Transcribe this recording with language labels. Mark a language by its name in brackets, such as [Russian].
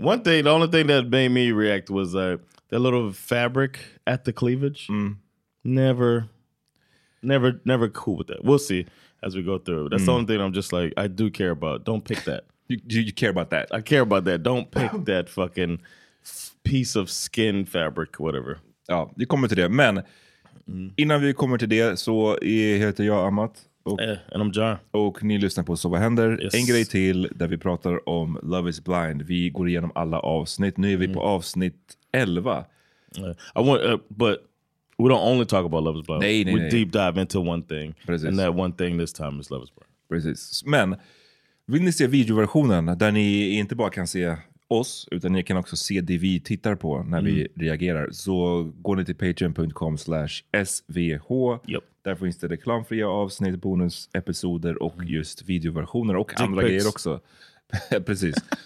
[English] One thing, the only thing that made me react was that little fabric at the cleavage. Never cool with that. We'll see. As we go through, that's the only thing I'm just like, I do care about. Don't pick that. You care about that. I care about that. Don't pick that fucking piece of skin fabric, whatever. [Swedish] Ja, vi kommer till det. Men innan vi kommer till det så heter jag Amat. [English] And I'm John. [Swedish] Och ni lyssnar på Så vad händer? Yes. En grej till där vi pratar om Love is Blind. Vi går igenom alla avsnitt. Nu är vi på avsnitt 11. [English] But... we don't only talk about Love is Blind. [Swedish] Nej, [English] deep dive into one thing. [Swedish] Precis. [English] And that one thing this time is Love is Blind. [Swedish] Precis. Men, vill ni se videoversionen där ni inte bara kan se oss, utan ni kan också se det vi tittar på när vi reagerar, så går ni till patreon.com/svh. [English] Yep. [Swedish] Där finns det reklamfria avsnitt, bonusepisoder och just videoversioner och andra grejer också. Precis.